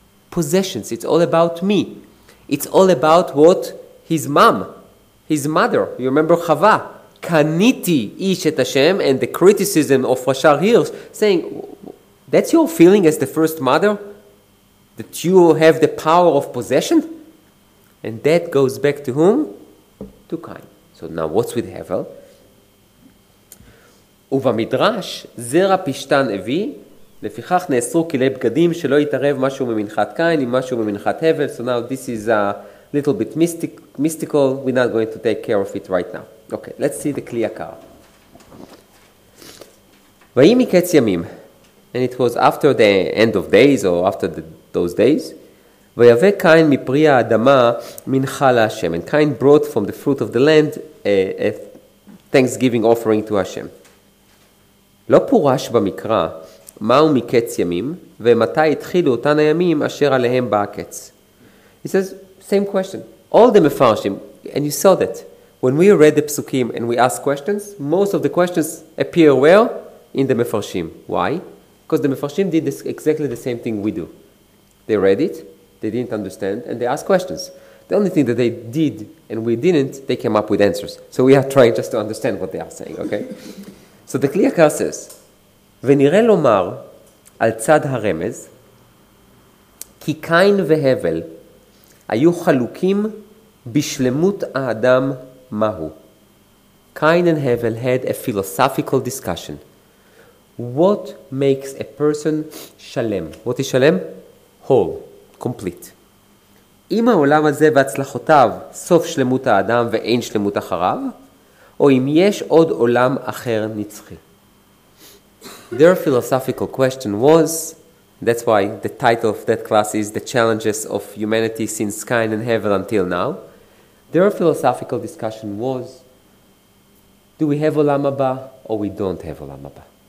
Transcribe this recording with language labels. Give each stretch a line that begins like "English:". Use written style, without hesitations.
English: Possessions. It's all about me. It's all about what? His mom. His mother. You remember Chava? Kaniti ish et Hashem, and the criticism of Rashar Hirsch saying, that's your feeling as the first mother? That you have the power of possession? And that goes back to whom? To Cain. So now what's with Hevel?
Hebrew: ובמדרש זרע פשטן אבי, לפיכך נאסרו כלי בגדים שלא יתערב משהו ממנחת קין עם משהו ממנחת הבל.
English: So now this is a little bit mystical. We're not going to take care of it right now. Okay, let's see the כלי יקר.
Hebrew: ויהי מקץ ימים,
English: and it was after the end of days or after those days,
Hebrew: ויבא קין מפרי האדמה מנחה להשם.
English: And Cain brought from the fruit of the land a thanksgiving offering to Hashem.
Hebrew: לא פורש במקרא מהו מקץ ימים ומתי התחילו אותן הימים אשר עליהם בא הקץ.
English: He says, same question. All the mefarshim, and you saw that. When we read the psukim and we ask questions, most of the questions appear where? In the mefarshim. Why? Because the mefarshim did this, exactly the same thing we do. They read it, they didn't understand, and they asked questions. The only thing that they did and we didn't, they came up with answers. So we are trying just to understand what they are saying, okay? So the Kli Yakar says,
Hebrew: ונראה לומר על צד הרמז, כי קין והבל היו חלוקים בשלמות האדם מהו.
English: Cain and Hevel had a philosophical discussion. What makes a person שלם? What is שלם? Whole, complete.
Hebrew: אם העולם הזה והצלחותיו סוף שלמות האדם ואין שלמות אחריו, או אם יש עוד עולם אחר נצחי.
English: Their philosophical question was, that's why the title of that class is The Challenges of Humanity Since Cain and Hevel Until Now. Their philosophical discussion was, do we have Olam Haba or we don't have Olam Haba?